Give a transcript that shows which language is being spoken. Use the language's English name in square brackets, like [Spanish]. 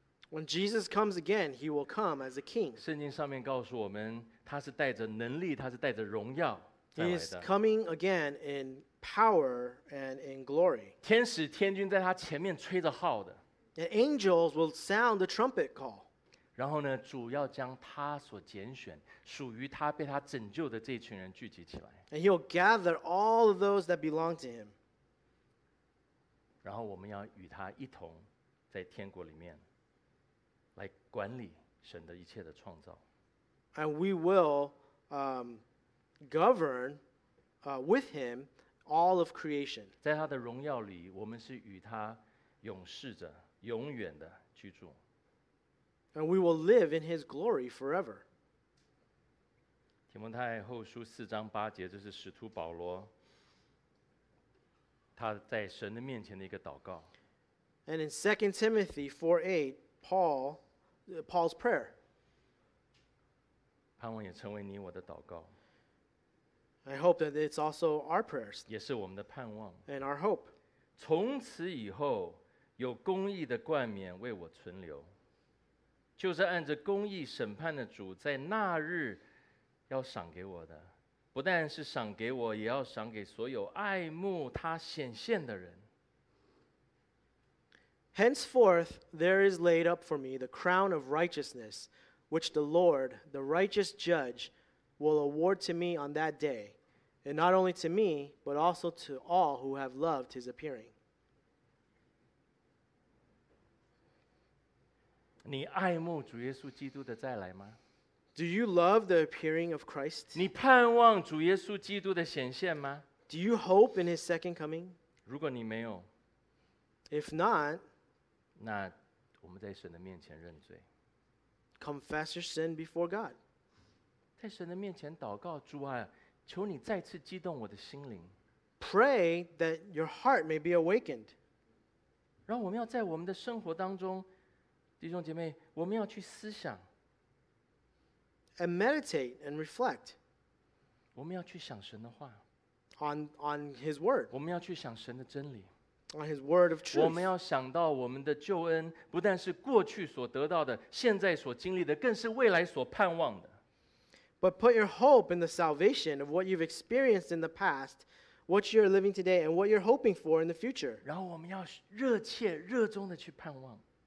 [English] When Jesus comes again, he will come as a king. [Chinese] 圣经上面告诉我们，他是带着能力，他是带着荣耀。 [English] He is coming again in power and in glory. [Chinese] 天使天君在他前面吹着号的。 [English] And angels will sound the trumpet call. [Chinese] 然后呢，主要将他所拣选、属于他、被他拯救的这群人聚集起来。 [English] And he'll gather all of those that belong to him. [Chinese] 然后我们要与他一同在天国里面来管理神的一切的创造。 [English] And we will govern with him all of creation. [Chinese] 在他的荣耀里，我们是与他永世着，永远的居住。 [English] And we will live in his glory forever. [Chinese] 提摩太后书四章八节，这是使徒保罗他在神的面前的一个祷告。 [English] And in 2 Timothy 4:8, Paul's prayer. [Chinese] 盼望也成为你我的祷告。 [English] I hope that it's also our prayers. [Chinese] 也是我们的盼望。 [English] And our hope. [Chinese] 从此以后，有公义的冠冕为我存留。就是按着公义审判的主，在那日要赏给我的。不但是赏给我，也要赏给所有爱慕他显现的人。 [English] Henceforth, there is laid up for me the crown of righteousness, which the Lord, the righteous judge, will award to me on that day, and not only to me, but also to all who have loved his appearing. [Chinese] 你爱慕主耶稣基督的再来吗？ [English] Do you love the appearing of Christ? [Chinese] 你盼望主耶稣基督的显现吗？ [English] Do you hope in his second coming? [Chinese] 如果你没有， [English] If not, [Chinese] 那我们在神的面前认罪。 [English] Confess your sin before God. [Chinese] 在神的面前祷告，主啊，求你再次激动我的心灵。 [English] Pray that your heart may be awakened. [Chinese] 然后我们要在我们的生活当中，弟兄姐妹，我们要去思想。 [English] And meditate and reflect. [Chinese] 我们要去想神的话。 [English] On his word. [Chinese] 我们要去想神的真理。 [English] On his word of truth. [Chinese] 我们要想到我们的救恩，不但是过去所得到的，现在所经历的，更是未来所盼望的。 [English] But put your hope in the salvation of what you've experienced in the past, what you're living today and what you're hoping for in the future. [Chinese] 然后我们要热切热衷的去盼望。